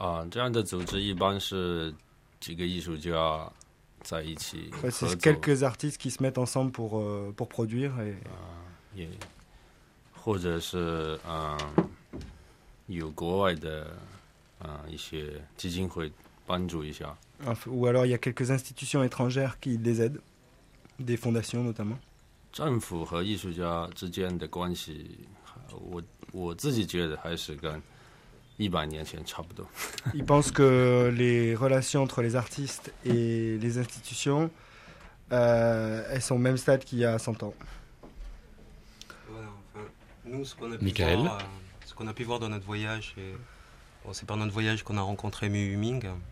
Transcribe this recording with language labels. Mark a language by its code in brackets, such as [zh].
[zh] 这样的组织一般是几个艺术家在一起合作。 [fr] C'est quelques artistes qui se mettent ensemble pour produire. Et... [zh] 或者是有国外的一些基金会帮助一下。 [fr] Ou alors il y a quelques institutions étrangères qui les aident, des fondations notamment. [zh] 政府和艺术家之间的关系，我自己觉得还是跟100年前差不多。 [fr] Il pense que les relations entre les artistes et les institutions, elles sont au même stade qu'il y a 100 ans. Voilà, enfin, nous, ce qu'on a pu Michael. Voir, ce qu'on a pu voir dans notre voyage, et, bon, c'est par notre voyage qu'on a rencontré Mu Yiming.